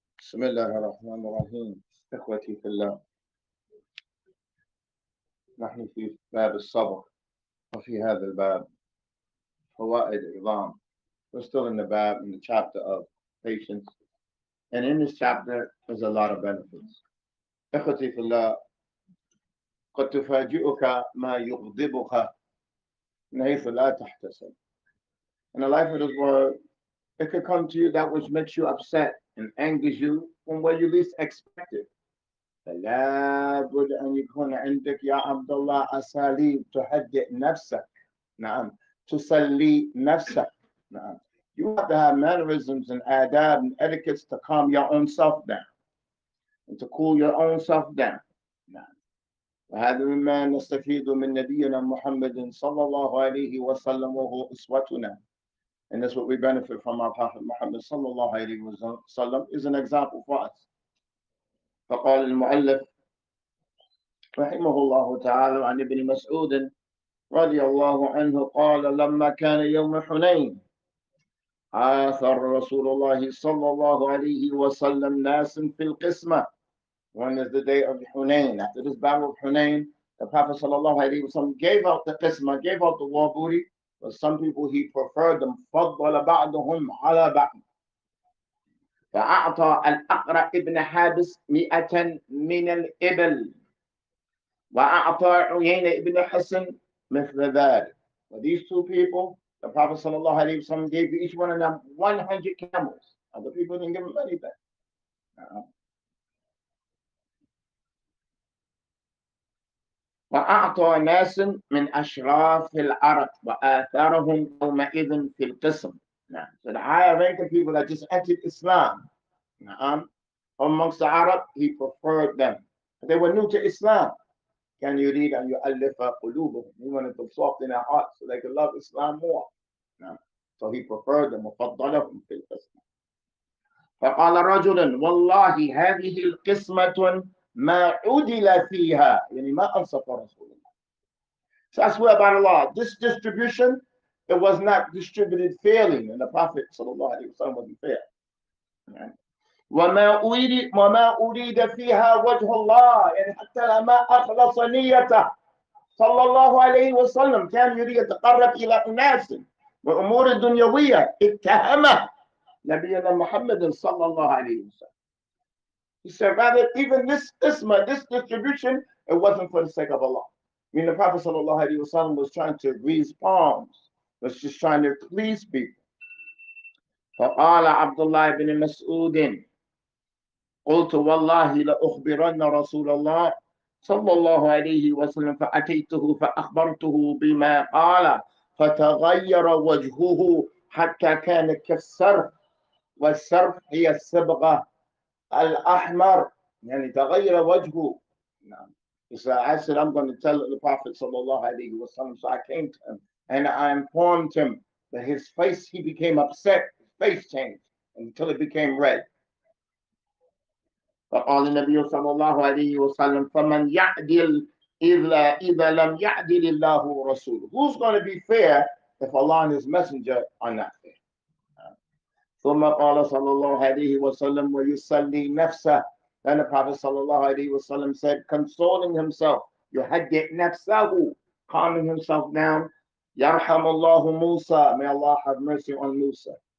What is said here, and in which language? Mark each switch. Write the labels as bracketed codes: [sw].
[ar] بسم الله الرحمن الرحيم، إخوتي في الله، نحن في باب الصبر، وفي هذا الباب فوائد عظام. [en] We're still in the bab, in the chapter of patience. And in this chapter, there's a lot of benefits. [ar] إخوتي في الله، قد تفاجئك ما يغضبك من حيث لا تحتسب. [en] In a life of this world, it could come to you that which makes you upset and angers you from where you least expect it. [ar] فلا بد أن يكون عندك يا عبد الله أساليب تهدئ نفسك. نعم. تسلي نفسك. نعم. [en] You have to have mannerisms and آداب and etiquettes to calm your own self down and to cool your own self down. [ar] نعم. وهذا مما نستفيد من نبينا محمد صلى الله عليه وسلم وهو أسوتنا. [en] And that's what we benefit from our Prophet Muhammad sallallahu alayhi wa sallam is an example for us. [ar] فقال المؤلف رحمه الله تعالى عن ابن مسعود رضي الله عنه قال لما كان يوم حنين آثر رسول الله صلى الله عليه وسلم ناس في القسمة. [en] When is the day of Hunain? After this battle of Hunain, the Prophet sallallahu alayhi wa sallam gave out the qisma, gave out the war booty. But some people he preferred them. [ar] فضل بعضهم على بعض. فأعطى الأقرع ابن حابس 100 من الإبل. وأعطى عيينة ابن حسن مثل ذلك. [en] But these two people, the Prophet صلى الله عليه وسلم gave each one of them 100 camels. Other people didn't give him anything. [ar] وأعطى ناس من أشراف الأرض وآثرهم يومئذ في القسم. نعم. [en] So the higher rank of people that just entered Islam. [ar] نعم. [en] Amongst the Arab, he preferred them. But they were new to Islam. [ar] كان يريد أن يؤلف قلوبهم. [en] He wanted to soften their hearts so they could love Islam more. [ar] نعم. [en] So he preferred them [ar] وفضلهم في القسم. فقال رجل والله هذه القسمة ما عدل فيها يعني ما أنصف رسول الله. [en] So I swear by Allah, this distribution, it was not distributed fairly, and the Prophet صلى الله عليه وسلم wasn't fair. [ar] وما أريد فيها وجه الله يعني حتى ما أخلص نيته صلى الله عليه وسلم كان يريد يتقرب إلى أناس وأمور الدنيوية اتهمه نبينا محمد صلى الله عليه وسلم. [en] He said, rather, even this isma, this distribution, it wasn't for the sake of Allah. I mean, the Prophet sallallahu alayhi wa sallam was trying to raise palms, was just trying to please people. [ar] فَقَالَ عَبْدُ اللَّهِ بْنِ مَسْعُودٍ قُلْتُ وَاللَّهِ لَأُخْبِرَنَّ رَسُولَ اللَّهِ صَلَّى اللَّهُ عَلَيْهِ وَسَلَّمَ فَأَتَيْتُهُ فَأَخْبَرْتُهُ بِمَا قَالَ فَتَغَيَّرَ وَجْهُهُ حَتَّى كَانَ كَالسَّرْفِ وَالسَّرْفُ هِيَ الصِّبْغَةُ الأحمر يعني تغير وجهه. نعم. [en] So I said I'm going to tell the Prophet صلى الله عليه وسلم. So I came to him and I informed him that his face, he became upset, his face changed until it became red. [ar] فقال النبي صلى الله عليه وسلم فمن يعدل إذا لم يعدل الله رسوله. [en] Who's going to be fair if Allah and His Messenger are not fair? [ar] ثم قال صلى الله عليه وسلم ويسلي نفسه. [en] Then the Prophet صلى الله عليه وسلم said, consoling himself, [ar] يهدئ نفسه, [en] calming himself down. [ar] يرحم الله موسى. [en] May Allah have mercy on موسى.